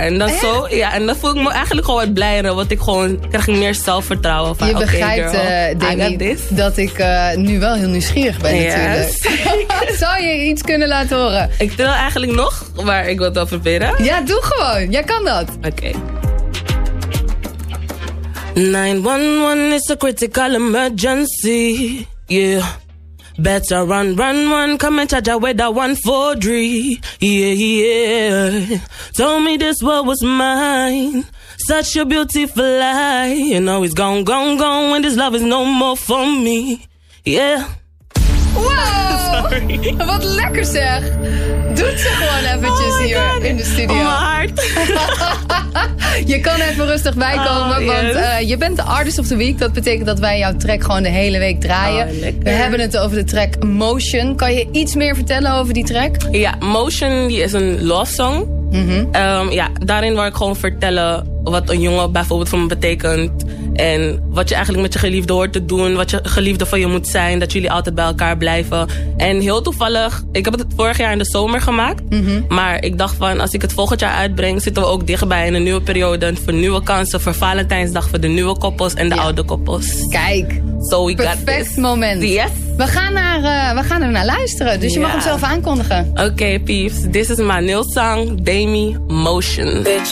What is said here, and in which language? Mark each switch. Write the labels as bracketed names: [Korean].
[Dutch] En dan zo, ja, en dan voel ik me eigenlijk gewoon wat blijer. Want ik gewoon krijg meer zelfvertrouwen. Van, je begrijpt, Demi, dat ik nu wel heel nieuwsgierig ben natuurlijk. [English] Yes. [Dutch] Zou je iets kunnen laten horen? Ik wil eigenlijk nog, maar ik wil het wel proberen. Ja, doe gewoon. Jij kan dat. Oké. [English] 911 is a critical emergency, yeah. Better run, run, run, come and charge your weather 143, yeah, yeah. Told me this world was mine, such a beautiful lie. You know it's gone, gone, gone when this love is no more for me, yeah. Wow! Sorry. [Dutch] Wat lekker zeg! Doet ze gewoon eventjes hier in de studio. Oh, mijn hart! Je kan even rustig bijkomen, want je bent de Artist of the Week. Dat betekent dat wij jouw track gewoon de hele week draaien. Oh, we hebben het over de track Motion. Kan je iets meer vertellen over die track? Ja, Motion die is een love song. Mm-hmm. Daarin wil ik gewoon vertellen wat een jongen bijvoorbeeld voor me betekent. En wat je eigenlijk met je geliefde hoort te doen. Wat je geliefde van je moet zijn. Dat jullie altijd bij elkaar blijven. En heel toevallig, ik heb het vorig jaar in de zomer gemaakt. Mm-hmm. Maar ik dacht van, als ik het volgend jaar uitbreng, zitten we ook dichtbij in een nieuwe periode. Voor nieuwe kansen, voor Valentijnsdag, voor de nieuwe koppels en de oude koppels. Kijk, [English] so we perfect got this moment. Yes. [Dutch] We gaan er naar luisteren. Dus je mag hem zelf aankondigen. [English] Oké, peeps. This is my new song, Demi Motion.